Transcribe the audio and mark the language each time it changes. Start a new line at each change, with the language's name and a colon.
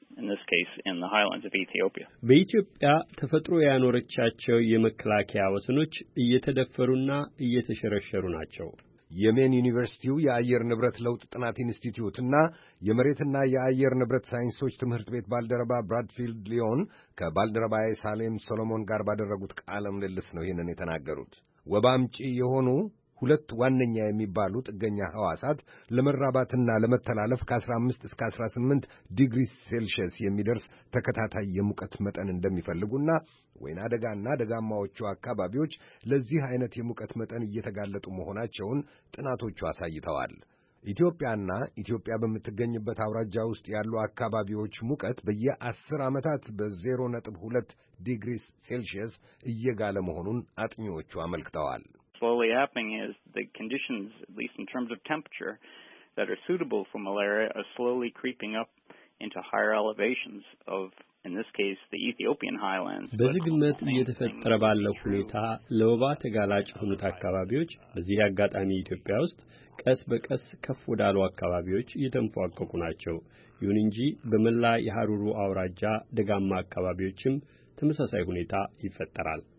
English: in this case in the highlands of Ethiopia.
Amharic: በኢትዮጵያ ተፈጥሮ ያኖረቻቸው የመከላከያ ወሰኖች እየተደፈሩና እየተሸረሸሩ ናቸው። የየመን ዩኒቨርሲቲው የአየር ንብረት ለውጥ ጥናት ኢንስቲትዩት እና የመሬትና የአየር ንብረት ሳይንሶች ትምህርት ቤት ባልደረባ ብራድፊልድ ሊዮን ከባልደረባዬ ሳሌም ሶሎሞን ጋር ባደረጉት ቃለ ምልልስ ነው ይሄንን የተናገሩት። ወባምጪ የሆኑ ሁለት ዋነኛ የሚባሉ ጥገኛ ሐዋሳት ለመራባትና ለመተላለፍ ከ15 እስከ 18 ዲግሪ ሴልሺየስ የሚደርስ ተከታታይ የሙቀት መጠን እንደሚፈልጉና ወይና ደጋና ደጋማዎቹ አካባቢዎች ለዚህ አይነት የሙቀት መጠን እየተጋለጡ መሆናቸውን ጥናቶቹ አሳይተዋል። ኢትዮጵያና ኢትዮጵያ በመትገኝበት አውራጃ ውስጥ ያሉ አካባቢዎች ሙቀት በየ10 አመታት በ0.2 ዲግሪ ሴልሺየስ እየጋለ መሆኑን አጥኚዎቹ አመልክተዋል።
English: Slowly happening is the conditions, at least in terms of temperature, that are suitable for malaria are slowly creeping up into higher elevations of, in this case, the Ethiopian highlands.
Amharic: በዝግመት እየተፈጠረ ባለው ሁኔታ ለወባ ተጋላጭ ሁኔታ አካባቢዎች በዚህ አጋጣሚ ኢትዮጵያ ውስጥ ቀስ በቀስ ከፍ ወዳሉ አካባቢዎች እየተንፏቀቁ ናቸው። ይሁን እንጂ በመላ የሐሩሩ አውራጃ ደጋማ አካባቢዎችም ተመሳሳይ ሁኔታ ይፈጠራል።